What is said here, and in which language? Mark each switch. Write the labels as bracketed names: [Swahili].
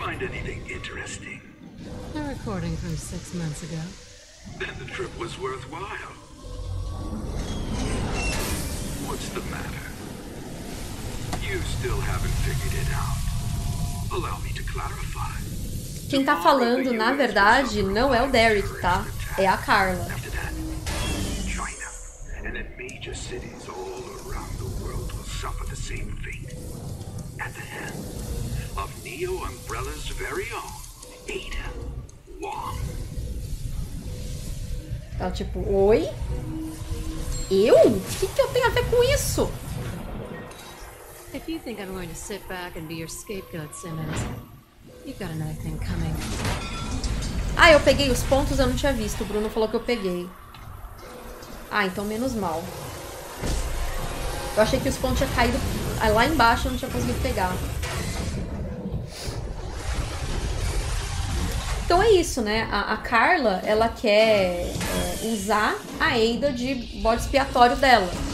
[English] Find anything interesting? A recording from 6 months ago. Then the trip was worthwhile. What's the matter? You still haven't figured it out. Allow me to clarify. [Portuguese] Quem tá falando, na verdade, não é o Derek, tá? É a Carla. [English] After that, China and then major cities all around the world will suffer the same fate. At the hand of Neo Umbrella's very own, Ada Wong. [Portuguese] Tá tipo, oi? Eu? Que eu tenho a ver com isso? [English] If you think I'm going to sit back and be your scapegoat, Simmons, you've got another thing coming. [Portuguese] Ah, eu peguei os pontos, eu não tinha visto. O Bruno falou que eu peguei. Ah, então menos mal. Eu achei que os pontos tinham caído lá embaixo, eu não tinha conseguido pegar. Então é isso, né? A Carla, ela quer usar a Ada de bode expiatório dela.